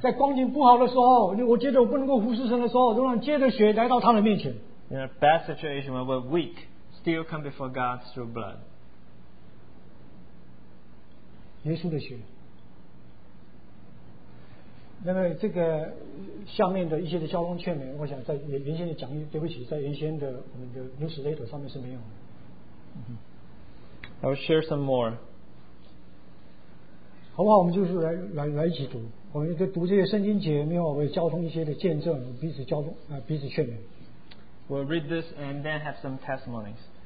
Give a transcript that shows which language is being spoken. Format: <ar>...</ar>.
<zh>在光景不好的时候, 我觉得我不能够服侍神的时候,</zh> <en>in our bad situation, when we're weak, still come before God through blood.</en> <zh>耶稣的血, 那么这个下面的一些的交通劝勉, 我想在原先的讲义, 对不起, 在原先的我们的newsletter上面是没有的。</zh> <en>I will share some more.</en> <zh>好不好, 我们就是来一起读, 我们读这些圣经节, 没有我交通一些的见证, 彼此交通, 彼此劝勉。</zh> <en>We'll read this and then have some testimonies.</en>